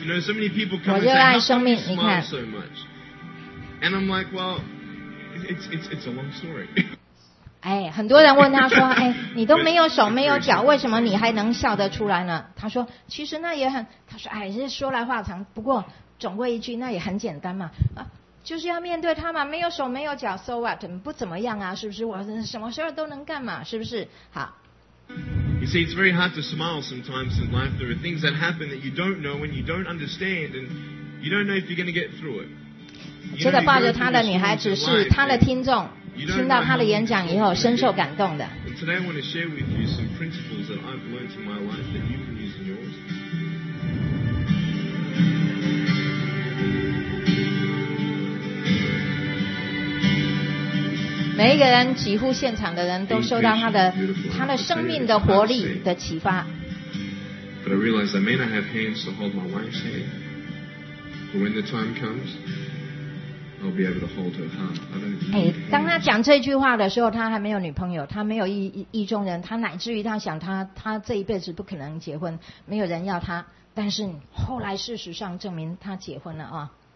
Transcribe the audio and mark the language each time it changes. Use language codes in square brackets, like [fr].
[en] You know, so many people come. [zh] 我热爱生命。你看。 [en] And I'm like, well, it's a long story. [zh] 哎，很多人问他说，哎，你都没有手没有脚，为什么你还能笑得出来呢？他说，其实那也很，他说，哎，这说来话长，不过总归一句，那也很简单嘛，就是要面对他嘛，没有手没有脚 ， [en] so what， [zh] 不怎么样啊，是不是？我什么事儿都能干嘛，是不是？好。 [en] You see, it's very hard to smile sometimes in life. There are things that happen that you don't know and you don't understand, and you don't know if you're going to get through it. [zh] 这个抱着他的女孩子是他的听众，听到他的演讲以后深受感动的。 [en] Today I want to share with you some principles that I've learned in my life that you can use in yours. [zh] 每一个人，几乎现场的人都受到他的生命的活力的启发。 [en] But I realize I may not have hands to hold my wife's hand, but when the time comes, I'll be able to hold her heart. [zh] 当他讲这句话的时候，他还没有女朋友，他没有意中人，他乃至于他想他这一辈子不可能结婚，没有人要他。但是后来事实上证明他结婚了啊。